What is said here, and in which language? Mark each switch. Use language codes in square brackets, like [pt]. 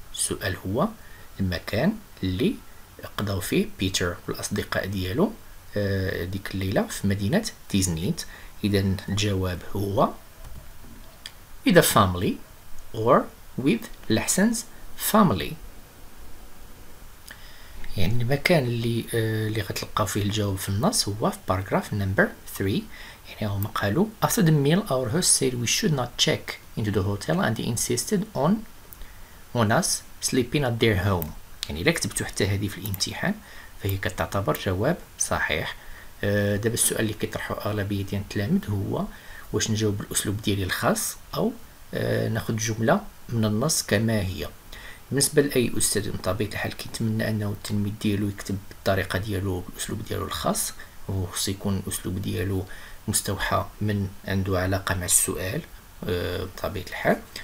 [ar] السؤال هو المكان اللي قضوا فيه بيتر والاصدقاء ديالو ديك الليله في مدينه تيزنيت. اذا الجواب هو [en] with a family or with Lahsen's family. [ar] يعني المكان اللي غتلقاو فيه الجواب في النص هو في [en] paragraph number 3. [ar] يعني هما قالوا [en] after the meal our host said we should not check into the hotel and they insisted on us sleeping at their home. [ar] يعني إلا كتبتو حتى هذه في الامتحان فهي كتعتبر جواب صحيح. دابا السؤال اللي كيطرحو أغلبية ديال التلاميذ هو واش نجاوب بالأسلوب ديالي الخاص أو ناخد جملة من النص كما هي. بالنسبة لأي أستاذ بطبيعة الحال كيتمنى أنه التلميذ ديالو يكتب بالطريقة ديالو بالأسلوب ديالو الخاص، وخصو يكون الأسلوب ديالو مستوحى من عنده علاقة مع السؤال بطبيعة الحال.